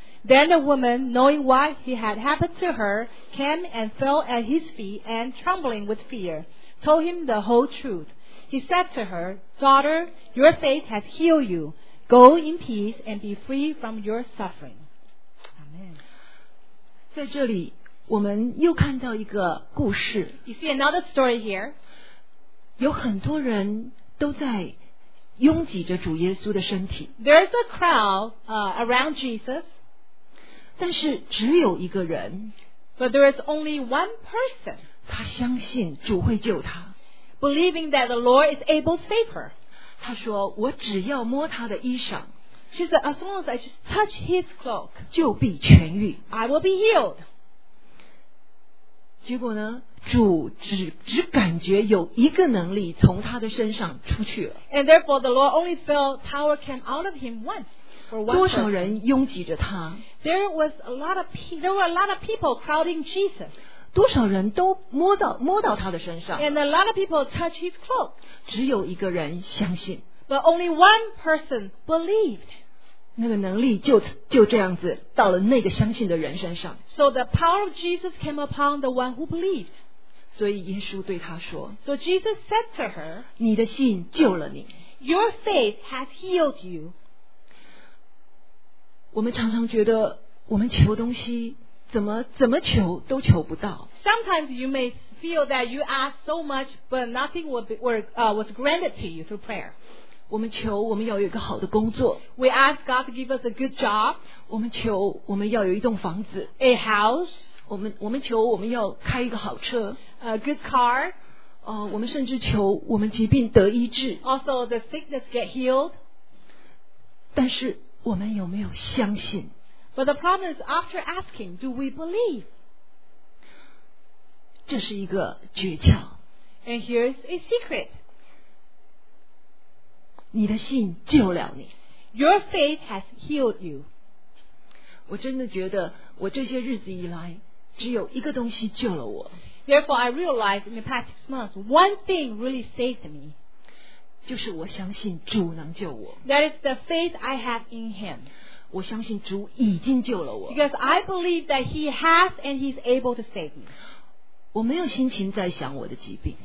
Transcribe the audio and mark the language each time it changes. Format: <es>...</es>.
<en>Then the woman, knowing what had happened to her, came and fell at his feet and, trembling with fear, told him the whole truth. He said to her, Daughter, your faith has healed you. Go in peace and be free from your suffering. Amen.</en> <zh>在这里，我们又看到一个故事。</zh> <en>You see another story here.</en> <zh>有很多人都在拥挤着主耶稣的身体。</zh> <en>There's a crowd around Jesus.</en> <zh>但是只有一个人。</zh> <en>But there is only one person.</en> <zh>他相信主会救他。</zh> <en>Believing that the Lord is able to save her.</en> <zh>她说我只要摸她的衣裳</zh> <en>She said as long as I just touch his cloak</en> <zh>就必痊愈</zh> <en>I will be healed.</en> <zh>结果呢主 只感觉有一个能力从她的身上出去了</zh> <en>And therefore the Lord only felt power came out of him once for one</en> <zh>多少人拥挤着她</zh> <en>There were a lot of people crowding Jesus.</en> <zh>多少人都摸到他的身上</zh> <en>And a lot of people touch his cloak</en> <zh>只有一个人相信</zh> <en>But only one person believed</en> <zh>那个能力就这样子到了那个相信的人身上</zh> <en>So the power of Jesus came upon the one who believed</en> <zh>所以耶稣对他说</zh> <en>So Jesus said to her</en> <zh>你的信救了你</zh> <en>Your faith has healed you</en> <zh>我们常常觉得我们求东西怎么求都求不到。</zh> <en>Sometimes you may feel that you ask so much, but nothing was granted to you through prayer.</en> <zh>我们求我们要有一个好的工作。</zh> <en>We ask God to give us a good job.</en> <zh>我们求我们要有一栋房子。</zh> <en>A house.</en> <zh>我们求我们要开一个好车。</zh> <en>A good car.</en> <zh>我们甚至求我们疾病得医治。</zh> <en>Also the sickness get healed.</en> <zh>但是我们有没有相信？</zh> <en>But the problem is after asking, do we believe?</en> <zh>这是一个诀窍。</zh> <en>And here's a secret.</en> <zh>你的信救了你。</zh> <en>Your faith has healed you.</en> <zh>我真的觉得我这些日子以来只有一个东西救了我。</zh> <en>Therefore, I realized in the past 6 months, one thing really saved me.</en> <zh>就是我相信主能救我。</zh> <en>That is the faith I have in Him.</en> <zh>我相信主已经救了我。</zh> <en>Because I believe that He has and He's able to save me.</en> <zh>我没有心情在想我的疾病。</zh>